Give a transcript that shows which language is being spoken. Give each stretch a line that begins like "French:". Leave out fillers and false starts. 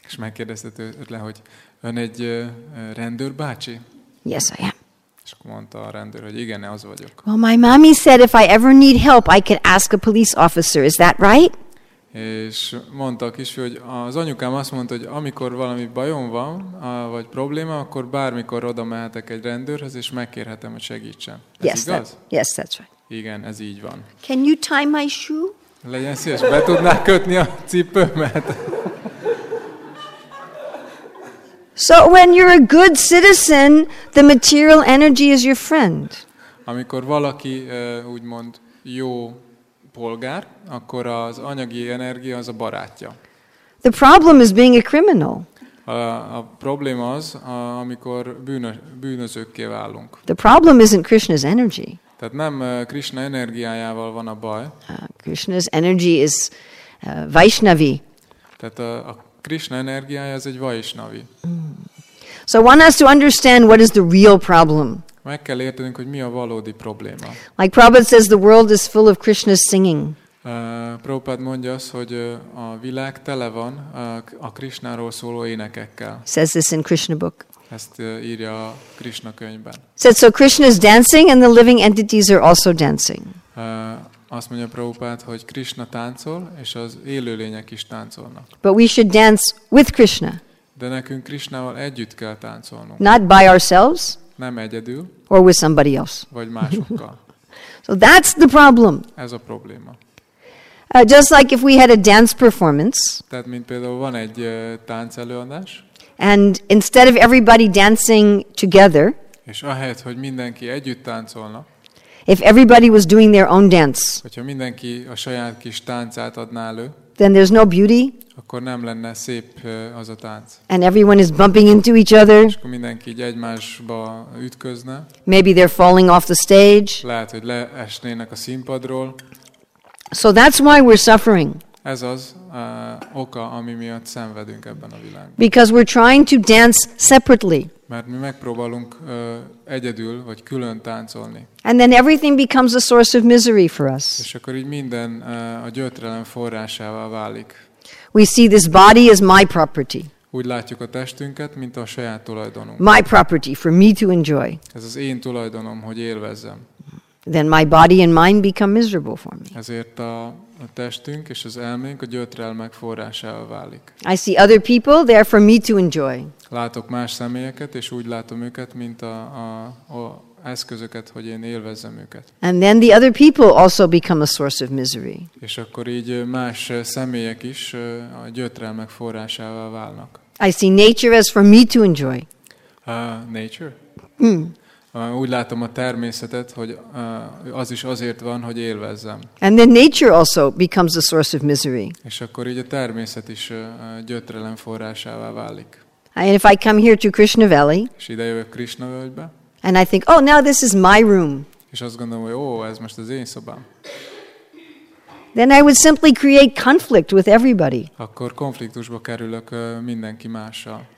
Hungarian: És megkérdezte tőle, hogy ön egy rendőr bácsi?
English: Yes, I am.
Hungarian: És mondta a rendőr, hogy igen, az vagyok.
English: Well, my mommy said if I ever need help, I could ask a police officer. Is that right?
Hungarian: És mondta a kisfiú, hogy az anyukám azt mondta, hogy amikor valami bajom van, vagy probléma, akkor bármikor oda mehetek egy rendőrhöz, és megkérhetem, hogy segítsen. Ez
English: yes,
Hungarian: igaz?
English: Yes, that's right.
Hungarian: Igen, ez így van.
English: Can you tie my shoe?
Hungarian: Legyen szíves, be tudnál kötni a cipőmet?
English: So when you're a good citizen, the material energy is your friend.
Hungarian: Amikor valaki úgymond jó polgár, akkor az anyagi energia az a barátja.
English: The problem is being a criminal.
Hungarian: A probléma az, amikor bűnözőkké válunk.
English: The problem isn't Krishna's energy.
Hungarian: Tehát nem Krishna energiájával van a baj.
English: Krishna's energy is Vaishnavi.
Hungarian: Tehát a Krishna energiája az egy Vaishnavi.
English: So one has to understand what is the real problem.
Hungarian: Meg kell értenünk, hogy mi a valódi probléma.
English: Like Prabhupada says, the world is full of Krishna's singing.
Hungarian: Prabhupada mondja azt, hogy a világ tele van a Krishnáról szóló énekekkel.
English: Says this in Krishna book.
Hungarian: Ezt írja a Krishna könyvben.
English: Said so Krishna is dancing and the living entities are also dancing.
Hungarian: Azt mondja Prabhupada, hogy Krishna táncol és az élőlények is táncolnak.
English: But we should dance with Krishna.
Hungarian: De nekünk Krishnával együtt kell táncolnunk.
English: Not by ourselves.
Hungarian: Nem egyedül.
English: Or with somebody else.
Hungarian: Vagy másokkal.
English: So that's the problem.
Hungarian: Ez a probléma.
English: Just like if we had a dance performance.
Hungarian: Tehát mint például van egy tánc előadás.
English: And instead of everybody dancing together.
Hungarian: És ahelyett, hogy mindenki együtt táncolna.
English: If everybody was doing their own dance.
Hungarian: Hogyha mindenki a saját kis táncát adná elő.
English: Then there's no beauty.
Hungarian: Akkor nem lenne szép az a tánc.
English: And everyone is bumping into each other.
Hungarian: És akkor mindenki így egymásba ütközne.
English: Maybe they're falling off the stage.
Hungarian: Lehet, hogy leesnének a színpadról.
English: So that's why we're suffering.
Hungarian: Ez az oka, ami miatt szenvedünk ebben a világban.
English: Because we're trying to dance separately.
Hungarian: Mert mi megpróbálunk egyedül vagy külön táncolni.
English: And then everything becomes a source of misery for us.
Hungarian: És akkor így minden a gyötrelem forrásává válik.
English: We see this body as my property.
Hungarian: Úgy látjuk a testünket, mint a saját tulajdonunk.
English: My property for me to enjoy.
Hungarian: Ez az én tulajdonom, hogy élvezzem.
English: Then my body and mind become miserable for me.
Hungarian: Ezért a testünk és az elménk a gyötrelmek forrásává válik.
English: I see other people there for me to enjoy.
Hungarian: Látok más személyeket és úgy látom őket, mint a eszközöket, hogy én élvezzem őket.
English: And then the other people also become a source of misery.
Hungarian: És akkor így más személyek is a gyötrelmek forrásává válnak.
English: I see nature as for me to enjoy. Nature?
Hungarian: Úgy látom a természetet, hogy az is azért van, hogy élvezzem.
English: And then nature also becomes a source of misery.
Hungarian: És akkor így a természet is gyötrelem forrásává válik.
English: And if I come here to Krishna Valley.
Hungarian: És ide jövök Krishna völgybe.
English: And I think, oh, now this is my room.
Hungarian: És azt gondolom, hogy ez most az én szobám.
English: Then I would simply create conflict with everybody.
Hungarian: Akkor konfliktusba kerülök mindenki mással.